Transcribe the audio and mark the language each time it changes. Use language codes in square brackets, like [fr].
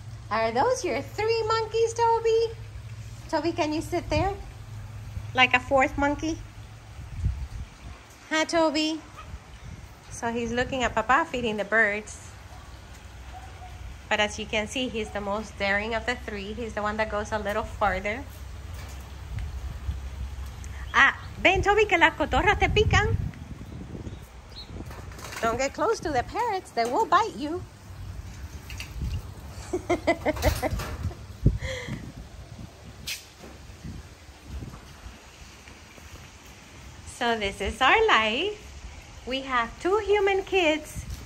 [en] Are those your three monkeys, Toby? Toby, can you sit there? Like a fourth monkey? Hi, Toby. So he's looking at Papa feeding the birds. But as you can see, he's the most daring of the three. He's the one that goes a little farther. [es] Ah, ven, Toby, que las cotorras te pican. [en] Don't get close to the parrots, they will bite you. So this is our life. We have two human kids.